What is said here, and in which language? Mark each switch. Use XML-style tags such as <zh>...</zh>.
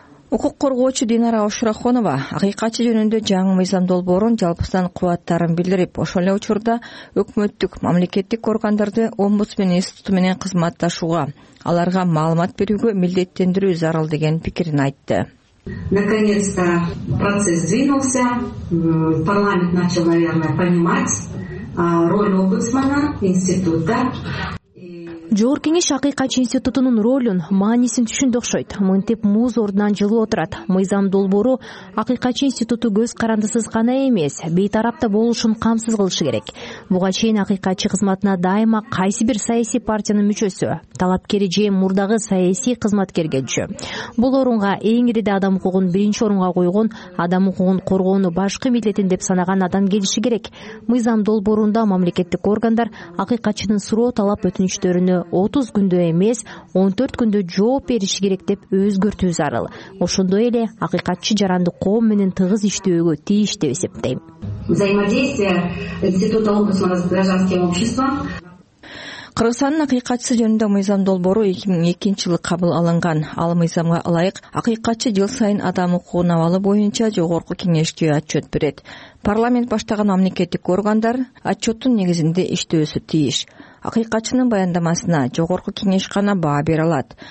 <ky>Укук коргоочу Динара Ошурахонова акыйкатчы жөнүндө жаңы мыйзам долбоорун жалпысынан кубаттарын билдирип, ошол эле учурда өкмөттүк мамлекеттик органдарды омбудсмен институту менен кызматташууга, аларга маалымат берүүгө милдеттендирүү зарыл деген пикирин айтты.</ky> <ru>Наконец-то процесс двинулся, парламент начал, наверное, понимать роль омбудсмена, института.</ru> <ky>Жогорку кеңеш акыйкатчы институтунун ролун, маанисин түшүндү окшойт. Мынтип муз ордунан жылуу отурат. Мыйзам долбоору акыйкатчы институту көз карандысыз гана эмес, бейтарапта болушун камсыз кылышы керек. Буга чейин акыйкатчы кызматына дайыма кайсы бир саясий партиянын мүчөсү, талапкери же мурдагы саясий кызматкер келчү. Бул орунга эң ириде адам укугун биринчи орунга койгон, адам укугун коргоону башкы милдетин деп санаган адам келиши керек. Мыйзам долбоорунда мамлекеттик органдар акыйкатчынын суроо талап өтүнүчтөрүн 30 күндө эмес 14 күндө жооп бериши керек деп өзгөртүү зарыл. Ошондой эле акыйкатчы жарандык коом менен тыгыз иштөөгө тийиш деп эсептейм.</ky> <ru>Взаимодействие института омбудсмена с гражданским обществом.</ru> <ky>Кыргызстандын акыйкатчысы жөнүндө мыйзам долбоору 2002 жылы кабыл алынган. Ал мыйзамга ылайык акыйкатчы жыл сайын адам укугун абалы боюнча жогорку кеңешке отчет берет. Парламент баштаган мамлекеттик органдар отчеттун негизинде иштөөсү тийиш. Акыйкатчынын баяндамасына жогорку кеңеш гана баа бере алат.</ky>